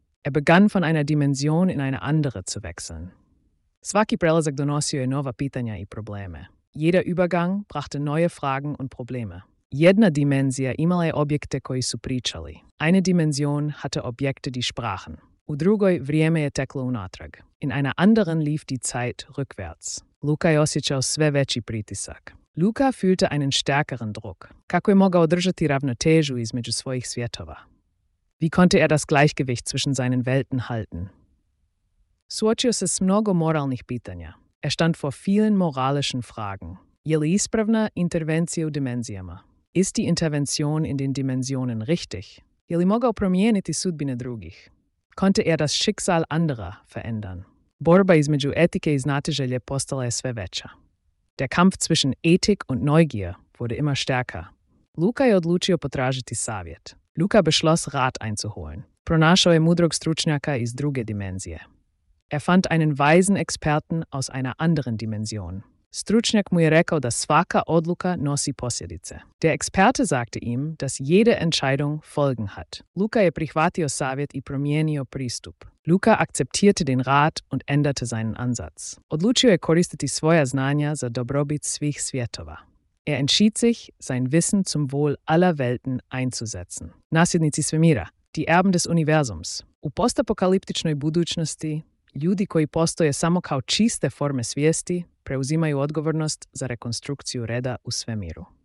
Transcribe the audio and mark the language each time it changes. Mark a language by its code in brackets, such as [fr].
[de] Er begann von einer Dimension in eine andere zu wechseln. [hr] Svaki prelazak donosio je nova pitanja i probleme. [de] Jeder Übergang brachte neue Fragen und Probleme. [hr] Jedna dimenzija imala je objekte koji su pričali. [de] Eine Dimension hatte Objekte, die sprachen. [hr] U drugoj vrijeme je teklo unatrag. [de] In einer anderen lief die Zeit rückwärts. [hr] Luka je osjećao sve veći pritisak. [de] Luka fühlte einen stärkeren Druck. [hr] Kako je mogao držati ravnotežu između svojih svjetova? [de] Wie konnte er das Gleichgewicht zwischen seinen Welten halten? [hr] Suočio se s mnogo moralnih pitanja. [de] Er stand vor vielen moralischen Fragen. [hr] Je li ispravna intervencija u dimenzijama? [de] Ist die Intervention in den Dimensionen richtig? [hr] Je li mogao promijeniti sudbine drugih? [de] Konnte er das Schicksal anderer verändern? [hr] Borba između etike i znatiželje postala je sve veća. [de] Der Kampf zwischen Ethik und Neugier wurde immer stärker. [hr] Luka je odlučio potražiti savjet. [de] Luka beschloss, Rat einzuholen. [hr] Pronašao je mudrog stručnjaka iz druge dimenzije. [de] Er fand einen weisen Experten aus einer anderen Dimension. [hr] Stručnjak mu je rekao da svaka odluka nosi posljedice. [de] Der Experte sagte ihm, dass jede Entscheidung Folgen hat. [hr] Luka je prihvatio savjet i promijenio pristup. [de] Luka akceptierte den Rat und änderte seinen Ansatz. [hr] Odlučio je koristiti svoja znanja za dobrobit svih svjetova. [de] Er entschied sich, sein Wissen zum Wohl aller Welten einzusetzen. [hr] Nasljednici svemira, [de] die Erben des Universums. [hr] U postapokaliptičnoj budućnosti, ljudi koji postoje samo kao čiste forme svijesti, preuzimaju odgovornost za rekonstrukciju reda u svemiru.